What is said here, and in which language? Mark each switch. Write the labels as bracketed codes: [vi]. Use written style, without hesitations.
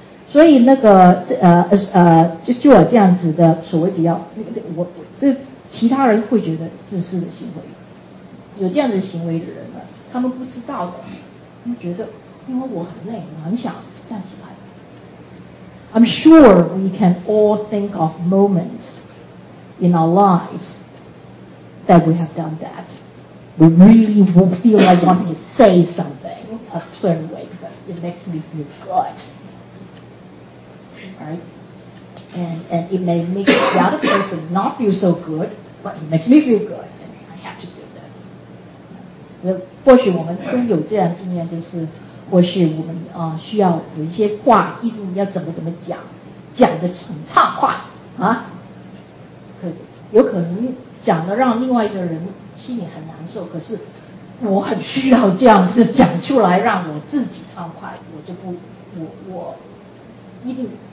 [zh] 所以那个就我这样子的所谓比较，我这其他人会觉得自私的行为，有这样子行为的人呢，他们不知道的，他们觉得因为我很累，我很想站起来。 [en] I'm sure we can all think of moments in our lives that we have done that. We really will feel like wanting to say something a certain way because it makes me feel good. Right? And it may make the other person not feel so good, but it makes me feel good, and I have to do that. [zh] 那或许我们都有这样经验，就是或许我们啊需要有一些话，一定要怎么讲，讲得很畅快啊。可是有可能讲得让另外一个人心里很难受，可是我很需要这样子讲出来，让我自己畅快，我就不，我一定。